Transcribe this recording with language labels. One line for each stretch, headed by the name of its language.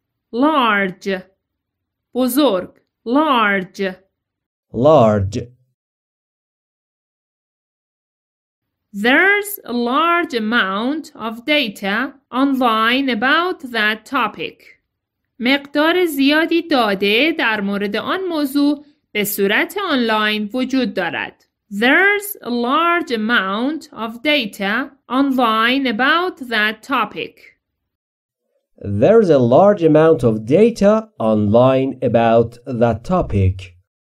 English: Large.
Persian: بزرگ.
English: Large. Large. There's a large amount of data online about that topic.
Persian: مقدار زیادی داده در مورد آن موضوع به صورت آنلاین وجود دارد.
English: There's a large amount of data online about that topic. There's a large amount of data online about that topic.